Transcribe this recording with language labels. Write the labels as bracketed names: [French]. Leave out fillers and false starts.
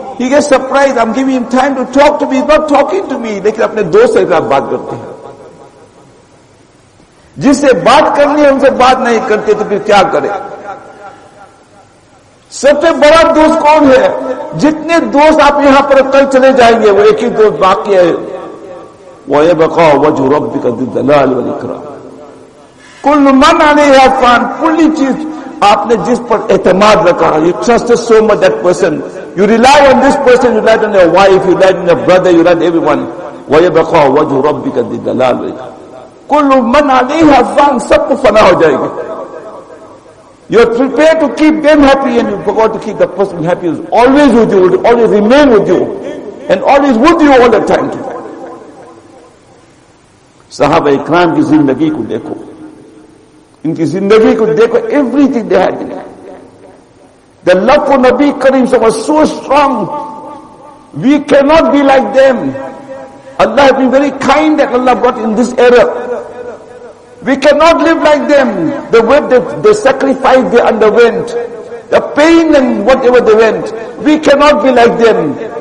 [English] He gets surprised, I'm giving him time to talk to me, he's not talking to me. [Urdu] لیکن اپنے دوست سے آپ بات کرتے ہیں, جس سے بات کرنی ہے ان سے بات نہیں کرتے تو پھر کیا کرے؟ سب سے بڑا دوست کون ہے؟ جتنے دوست آپ یہاں پر کل چلے جائیں گے وہ ایک ہی دوست باقی ہے, وہ یہ [Arabic] بقا وجہ ربک ذی الجلال والاکرام. کل من علیہ فان, [Urdu] پوری چیز آپ نے جس پر اعتماد رکھا, [English] You trust so much that person, you rely on this person, you rely on your wife, you rely on your brother, you rely on everyone. [Arabic] ویبقا وجہ ربک ذی الجلال والاکرام, کل من علیہ فان, [Urdu] سب کو فنا ہو جائے گی. [English] You are prepare to keep them happy and you forget to keep the person happy, is always with you, always remain with you, and always with you all the time. [Urdu] صحابہ کرام کی زندگی کو دیکھو, ان کی زندگی کو دیکھو, [English] Everything they had. The love for Nabi Karim was so strong. We cannot be like them. Allah has been very kind that Allah brought in this era. We cannot live like them. The way the sacrifice they underwent, the pain and whatever they went, we cannot be like them.